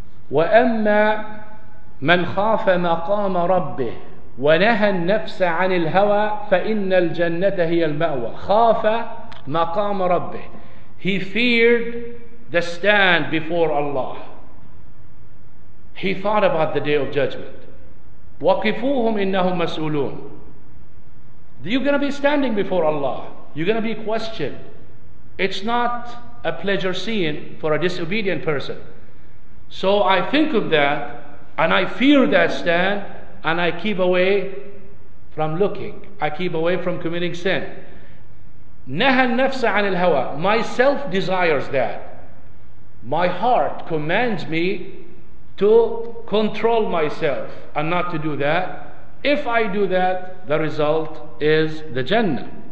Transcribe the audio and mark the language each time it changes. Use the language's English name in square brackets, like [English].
[Arabic] وَأَمَّا مَنْ خَافَ مَقَامَ رَبِّهِ وَنَهَى النَّفْسَ عَنِ الْهَوَى فَإِنَّ الْجَنَّةَ هِيَ الْمَأْوَى خَافَ مَقَامَ رَبِّهِ [English] He feared the stand before Allah. He thought about the day of judgment. [Arabic] وَقِفُوهُمْ إِنَّهُمْ مَسْئُولُونَ [English] You're going to be standing before Allah. You're going to be questioned. It's not a pleasure scene for a disobedient person. So I think of that, and I fear that stand, and I keep away from looking. I keep away from committing sin. [Arabic] نَهَى النَّفْسَ عَنِ الْهَوَى [English] Myself desires that. My heart commands me to control myself and not to do that. If I do that, the result is the Jannah.